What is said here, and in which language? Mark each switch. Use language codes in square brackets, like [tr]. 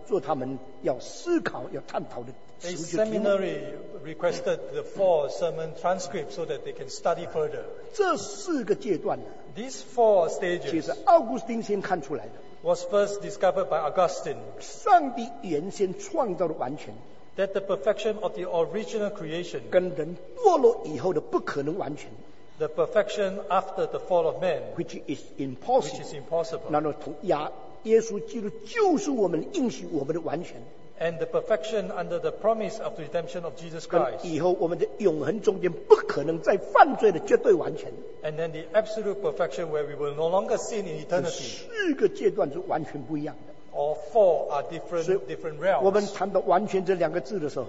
[zh] 美国一个神学院就很严肃地要求这四篇的讲章做他们要思考要探讨的词句。 [en] A seminary requested the four sermon transcripts so that they can study further. [zh] 这四个阶段呢， [en] These four stages， [zh] 其实奥古斯丁先看出来的， [en] was first discovered by Augustine. [zh] 上帝原先创造的完全， [en] that the perfection of the original creation， [zh] 跟人堕落以后的不可能完全， [en] the perfection after the fall of man， which is impossible， which is impossible， [zh] 那么从耶稣基督救赎我们应许我们的完全， [en] and the perfection under the promise of the redemption of Jesus Christ， [zh] 以后我们的永恒中间不可能再犯罪的绝对完全， [en] and then the absolute perfection where we will no longer sin in eternity。 [zh] 四个阶段是完全不一样的。 [en] All four are different realms。 [zh] 我们谈到完全这两个字的时候，